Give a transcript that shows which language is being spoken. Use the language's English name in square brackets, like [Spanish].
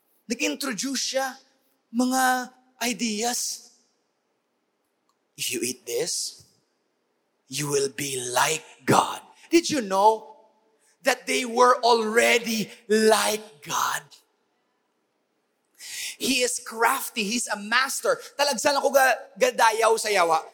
[Hiligaynon] Nag-introduce siya mga ideas. [English] If you eat this, you will be like God. Did you know that they were already like God? He is crafty. He's a master. [Hiligaynon] Talagsan ako gadayaw sa yawa.